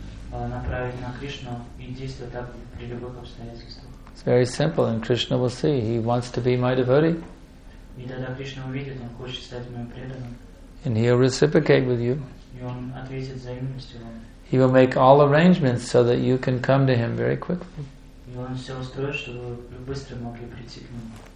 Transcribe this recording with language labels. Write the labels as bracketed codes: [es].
[ru] направить на Кришну и действовать так при любых обстоятельствах. [en] It's very simple, and Krishna will see. He wants to be my devotee. [ru] И тогда Кришна увидит, он хочет стать моим преданным. [en] And he'll reciprocate with you. [ru] И он ответит взаимностью вам. [en] He will make all arrangements so that you can come to him very quickly. [ru] И он все устроит, чтобы вы быстро могли прийти к нему.